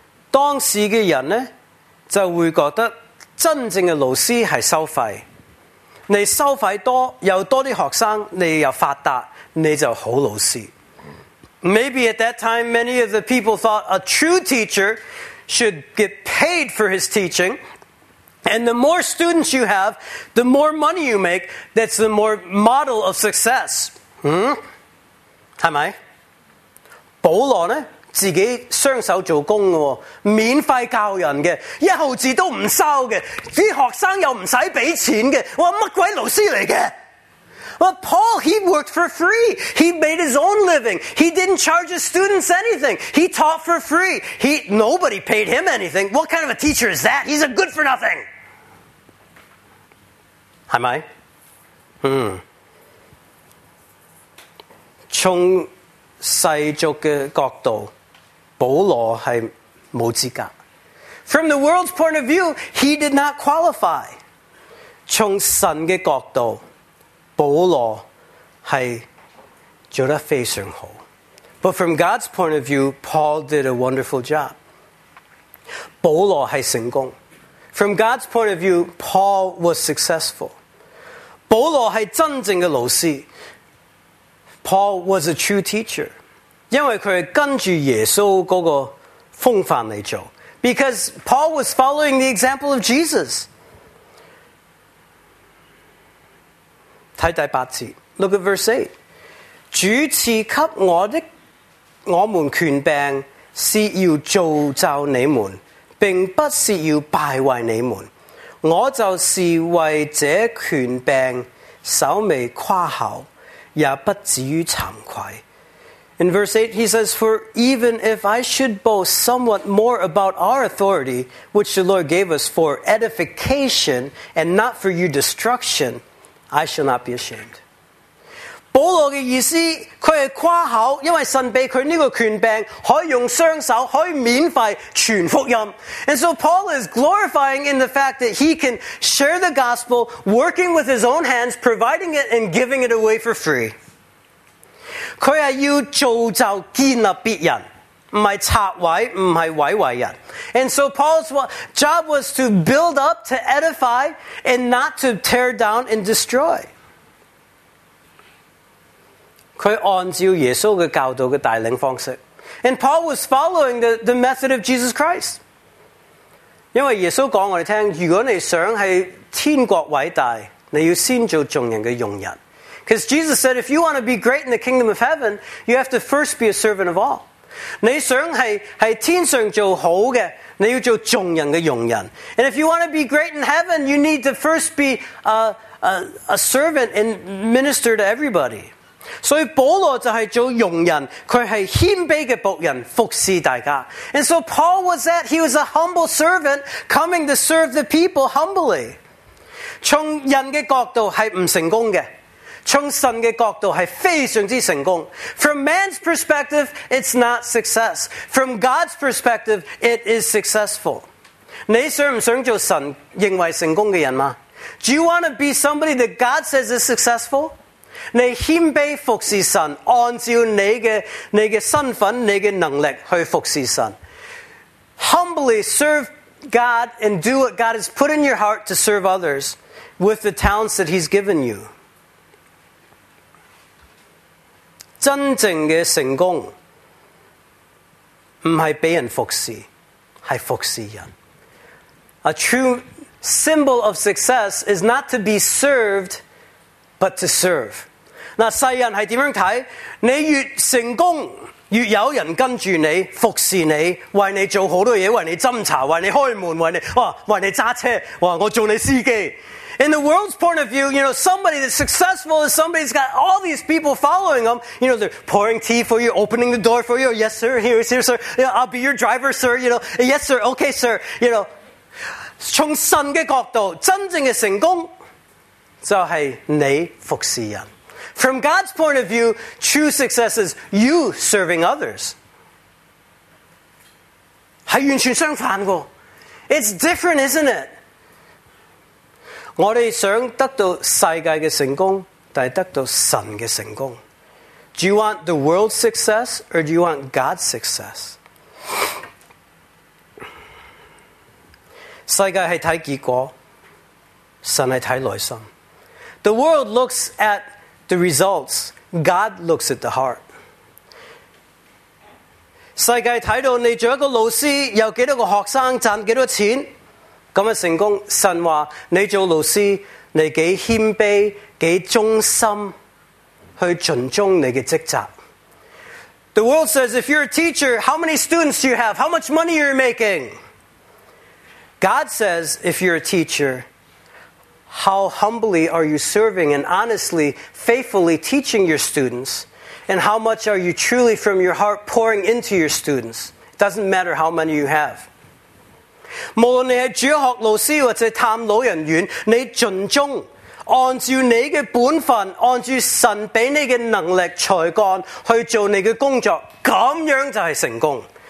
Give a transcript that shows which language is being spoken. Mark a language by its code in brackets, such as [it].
[yue] 当时的人呢就会觉得真正的老师是收费。你收费多，有多的学生，你又发达，你就好老师。 [en] Maybe at that time, many of the people thought a true teacher should get paid for his teaching. And the more students you have, the more money you make, that's the more model of success. [yue] 是吗？保罗呢，自己双手做工的，免费教人的，一毫子都不收的，这些学生又不用给钱的，我什么鬼老师来的？ [en] But Paul, he worked for free. He made his own living. He didn't charge his students anything. He taught for free. Nobody paid him anything. What kind of a teacher is that? He's a good for nothing. [yue] 是吗？从世俗的角度，保罗是无资格。 [en] From the world's point of view, he did not qualify. [yue] 从神的角度，保罗是做得非常好。 [en] But from God's point of view, Paul did a wonderful job. [yue] 保罗是成功。 [en] From God's point of view, Paul was successful. [yue] 保罗是真正的老师。 [en] Paul was a true teacher. [yue] 因为他跟着耶稣那个风范来做。 [en] Because Paul was following the example of Jesus. [yue] 看第八节， [en] look at verse 8. [yue] 主赐给我的我们权柄是要造就你们，并不是要败坏你们。我就是为这权柄稍微夸口，也不至于惭愧。 [en] In verse 8, he says, For even if I should boast somewhat more about our authority, which the Lord gave us for edification and not for your destruction, I shall not be ashamed. [yue] 保罗的意思，他是夸口，因为神给他这个权柄，可以用双手，可以免费传福音。 [en] And so Paul is glorifying in the fact that he can share the gospel, working with his own hands, providing it and giving it away for free. [yue] 他是要造就建立别人，不是拆毁，不是毁坏人。 [en] And so Paul's job was to build up, to edify, and not to tear down and destroy. [yue] 他按照耶稣的教导的带领方式。 [en] And Paul was following the method of Jesus Christ. [yue] 因为耶稣告诉我们听，如果你想在天国伟大，你要先做众人的佣人。 [en] Because Jesus said, if you want to be great in the kingdom of heaven, you have to first be a servant of all. [yue] 你想在天上做好的，你要做众人的佣人。 [en] And if you want to be great in heaven, you need to first be a servant and minister to everybody. [yue] 所以保罗就是做佣人，他是谦卑的仆人，服侍大家。 [en] And so Paul was that, he was a humble servant coming to serve the people humbly. [yue] 从人的角度是不成功的。从神的角度是非常之成功。 [en] From man's perspective, it's not success. From God's perspective, it is successful. [yue] 你想不想做神认为成功的人吗？ [en] Do you want to be somebody that God says is successful? [yue] 你谦卑服侍神，按照你的身份，你的能力去服侍神。 [en] Humbly serve God and do what God has put in your heart to serve others with the talents that He's given you. [yue] 真正的成功不是被人服侍，是服侍人。 [en] A true symbol of success is not to be served, but to serve. [yue] 那世人是怎样看？你越成功，越有人跟住你，服侍你，为你做好多嘢，为你斟茶，为你开门，为你揸车，我做你司机。 [en] In the world's point of view, you know, somebody that's successful is somebody that's got all these people following them. You know, they're pouring tea for you, opening the door for you. Yes, sir. Here, sir. You know, I'll be your driver, sir. You know, yes, sir. Okay, sir. You know, [yue] 从神的角度，真正的成功就是你服侍人。 [en] From God's point of view, true success is you serving others. [yue] 是完全相反的。 [en] It's different, isn't it? [yue] 我们想得到世界的成功，但是得到神的成功。 [en] Do you want the world's success or do you want God's success? [yue] 世界是看结果，神是看内心。 [en] The world looks at the results, God looks at the heart. [yue] 世界看到你做一个老师，有多少个学生，赚多少钱。咁嘅成功，神话你做老师，你几谦卑，几忠心，去尽忠你嘅职责。 [en] The world says, if you're a teacher, how many students do you have? How much money are you making? God says, if you're a teacher, how humbly are you serving and honestly, faithfully teaching your students? And how much are you truly from your heart pouring into your students? It doesn't matter how many you have. [yue] 无论你是主学老师或者探老人院，你尽忠按照你的本分，按照神给你的能力才干去做你的工作，这样就是成功。